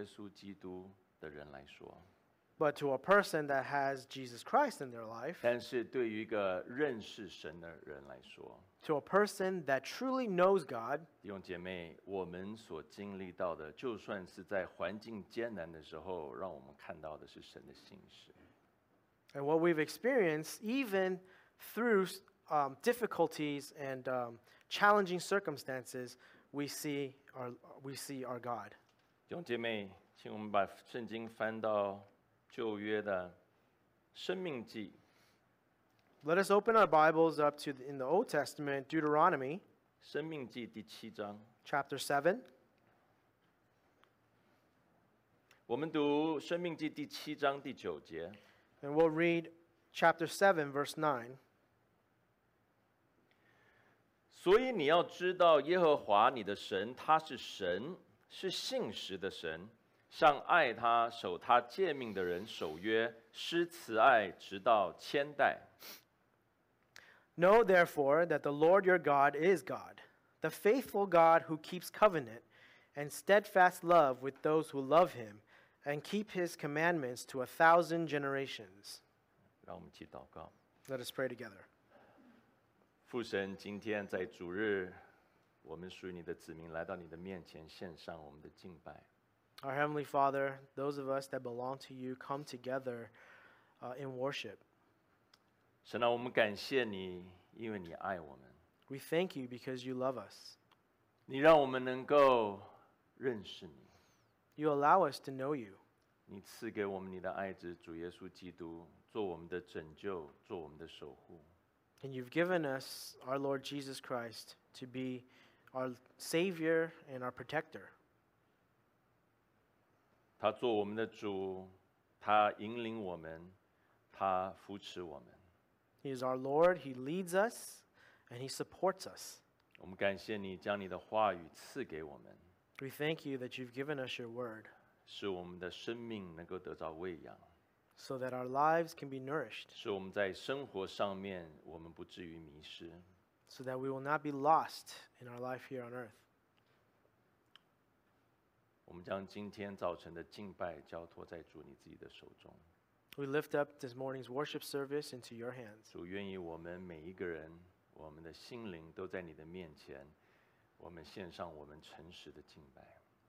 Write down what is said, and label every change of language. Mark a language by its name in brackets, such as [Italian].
[Chinese] 但是对于有主耶稣基督的人来说, [English] but to a person that has Jesus Christ in their life, [Chinese] 但是对于一个认识神的人来说, [English] to a person that truly knows God, [Chinese] 弟兄姐妹，我们所经历到的，就算是在环境艰难的时候，让我们看到的是神的信实。 [English] And what we've experienced, even through difficulties and challenging circumstances, we see our God. [Chinese] 弟兄姐妹，请我们把圣经翻到旧约的生命记。 [English] Let us open our Bibles up to in the Old Testament, Deuteronomy. [Chinese] 生命记第七章。 [English] Chapter 7. [Chinese] 我们读《生命记》第七章第九节。 [English] And we'll read chapter 7, verse 9. [Chinese] 所以你要知道耶和华你的神，他是神，是信实的神，向爱他、守他诫命的人守约，施慈爱直到千代。 [English] Know therefore that the Lord your God is God, the faithful God who keeps covenant and steadfast love with those who love him,and keep his commandments to 1,000 generations. Let us pray together. [Chinese] 父神，今天在主日，我们属于你的子民来到你的面前，献上我们的敬拜。 [English] Our Heavenly Father, those of us that belong to you come together in worship. [Chinese] 神啊，我们感谢你，因为你爱我们。 [English] We thank you because you love us. [Chinese] 你让我们能够认识你。 [English] You allow us to know you. [Chinese] 你赐给我们你的爱子主耶稣基督，做我们的拯救，做我们的守护。 [English] And you've given us our Lord Jesus Christ to be our Savior and our Protector. [Chinese] 他做我们的主，他引领我们，他扶持我们。 [English] He is our Lord, He leads us, and He supports us. [Chinese] 我们感谢你将你的话语赐给我们。 [English] We thank you that you've given us your word. [Chinese] 使我们的生命能够得到喂养。 [English] So that our lives can be nourished. [Chinese] 使我们在生活上面我们不至于迷失。 [English] So that we will not be lost in our life here on earth. [Chinese] 我们将今天早晨的敬拜交托在主你自己的手中。 [English] We lift up this morning's worship service into your hands. [Chinese] 主愿意我们每一个人，我们的心灵都在你的面前。我们献上我们诚实的敬拜。